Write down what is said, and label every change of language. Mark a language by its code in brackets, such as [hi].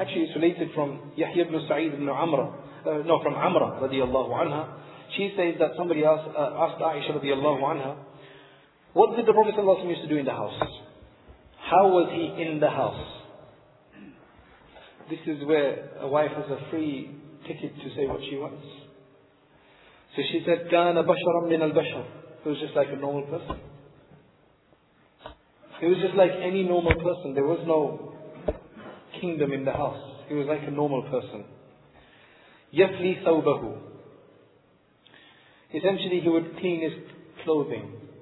[en] Actually, it's related from Yahya ibn Sa'id ibn Amr. From Amra radiallahu anha. She says that somebody asked Aisha radiallahu anha, what did the Prophet sallallahu alaihi wasallam used to do in the house? How was he in the house? This is where a wife has a free ticket to say what she wants. So she said, [ar] كَانَ بَشَرًا مِنَ الْبَشَرِ. [en] He was just like a normal person. He was just like any normal person. There was no kingdom in the house. He was like a normal person. [ar] يَفْلِي ثَوْبَهُ. [en] Essentially, he would clean his clothing.